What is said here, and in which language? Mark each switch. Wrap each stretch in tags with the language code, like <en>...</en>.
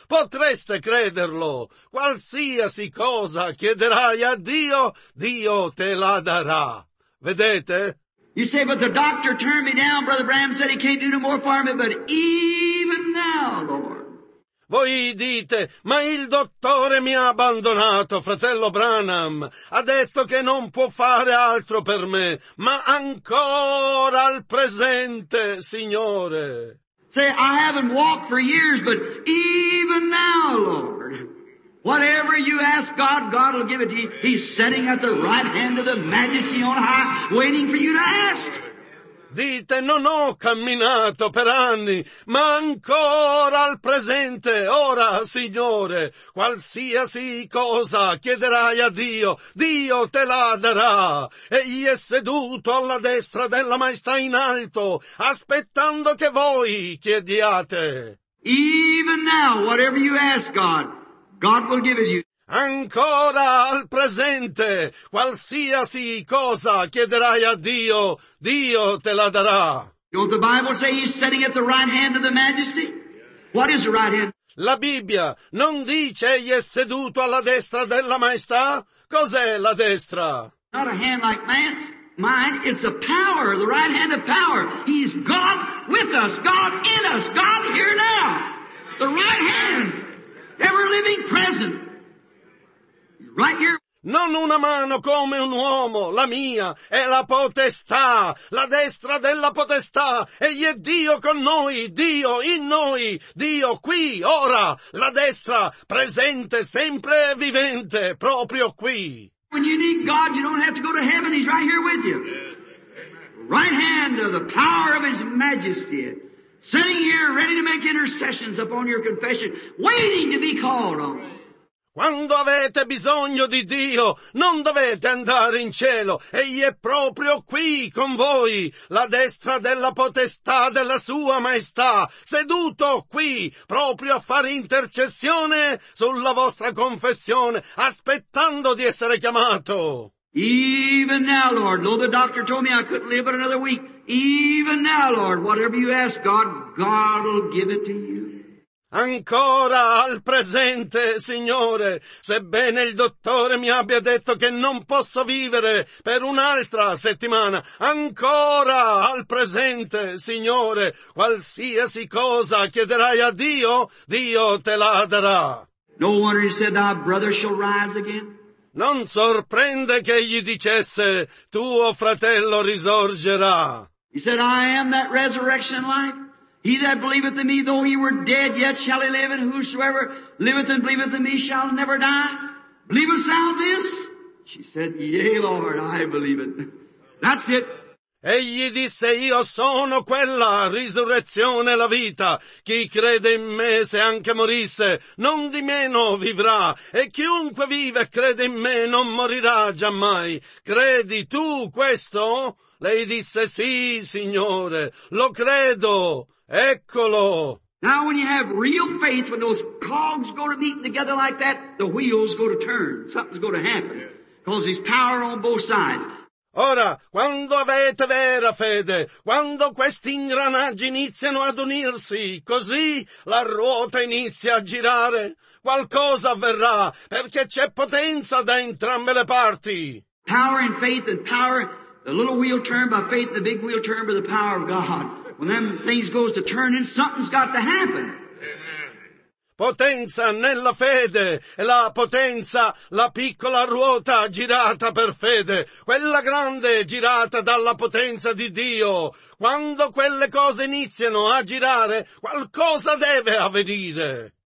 <it>Potreste crederlo. Qualsiasi cosa chiederai a Dio, Dio te la darà. Vedete?</it> <en>You say, but the doctor turned me down, Brother Bram said he can't do no more for me, but even now, Lord.</en> <it>Voi dite, ma il dottore mi ha abbandonato, fratello Branham, ha detto che non può fare altro per me, ma ancora al presente, Signore.</it> <en>Say, I haven't walked for years, but even now, Lord, whatever you ask God, God will give it to you. He's sitting at the right hand of the majesty on high, waiting for you to ask.</en> <it>Dite, non ho camminato per anni, ma ancora al presente, ora, Signore, qualsiasi cosa chiederai a Dio, Dio te la darà. Egli è seduto alla destra della maestà in alto, aspettando che voi chiediate.</it> <en>Even now, whatever you ask God, God will give it you.</en> <it>Ancora al presente, qualsiasi cosa chiederai a Dio, Dio te la darà.</it> <en>You know what the Bible says? He's sitting at the right hand of the majesty? What is the right hand?</en> <it>La Bibbia non dice egli è seduto alla destra della maestà? Cos'è la destra?</it> <en>Not a hand like man. Mine, it's a power, the right hand of power. He's God with us, God in us, God here now. The right hand. Ever living present. Right here.</en> <it>Non una mano come un uomo, la mia è la potestà, la destra della potestà, egli è Dio con noi, Dio in noi, Dio qui, ora, la destra, presente, sempre vivente, proprio qui.</it> <en>When you need God, you don't have to go to heaven, he's right here with you. Right hand of the power of his majesty. Sitting here, ready to make intercessions upon your confession, waiting to be called on.</en> <it>Quando avete bisogno di Dio, non dovete andare in cielo. Egli è proprio qui con voi, la destra della potestà della sua maestà, seduto qui, proprio a fare intercessione sulla vostra confessione, aspettando di essere chiamato.</it> <en>Even now, Lord, though the doctor told me I couldn't live but another week, even now, Lord, whatever you ask God, God will give it to you.</en> <it>Ancora al presente, Signore, sebbene il dottore mi abbia detto che non posso vivere per un'altra settimana, ancora al presente, Signore, qualsiasi cosa chiederai a Dio, Dio te la darà.</it> <en>No wonder you said thy brother shall rise again.</en> <it>Non sorprende che egli dicesse, tuo fratello risorgerà.</it> <en>He said, I am that resurrection life. He that believeth in me, though he were dead, yet shall he live, and whosoever liveth and believeth in me shall never die. Believest thou this? She said, yea, Lord, I believe it. That's it.</en> <it>Egli disse, io sono quella risurrezione e la vita. Chi crede in me, se anche morisse, non di meno vivrà. E chiunque vive e crede in me non morirà giammai. Credi tu questo? Lei disse, sì, Signore, lo credo. Eccolo.</it> <en>Now when you have real faith, when those cogs go to meet together like that, the wheels go to turn. Something's going to happen. Because there's power on both sides.</en> <it>Ora, quando avete vera fede, quando questi ingranaggi iniziano ad unirsi, così la ruota inizia a girare. Qualcosa avverrà, perché c'è potenza da entrambe le parti.</it> <en>Power and faith and power, the little wheel turned by faith, the big wheel turned by the power of God. When them things goes to turning, something's got to happen.</en> <it>Potenza nella fede, e la potenza, la piccola ruota girata per fede, quella grande girata dalla potenza di Dio. Quando quelle cose iniziano a girare, qualcosa deve avvenire.</it>